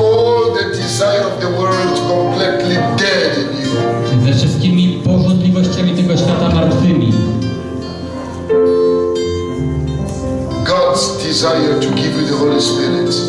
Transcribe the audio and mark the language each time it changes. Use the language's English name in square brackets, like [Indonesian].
[English] all the desire of the world completely dead in you. [Polish] Ze wszystkimi pożądliwościami tego świata martwymi. [English] God's desire to give you the Holy Spirit.